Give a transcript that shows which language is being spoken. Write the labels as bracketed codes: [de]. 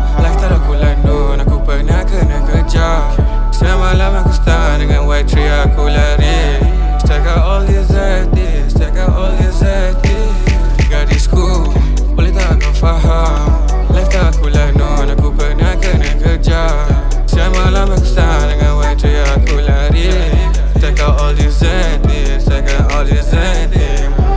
[ms] Lifestyle aku London, aku pernah kena kejar. Semalam aku start dengan white tree, aku lari. [en] Check out all these artists, check out all these artists. [ms] Gadisku, boleh tak kau faham? Lifestyle aku London, aku pernah kena kejar. Semalam aku start dengan white tree, aku lari. [en] Check out all these artists, check out all these artists.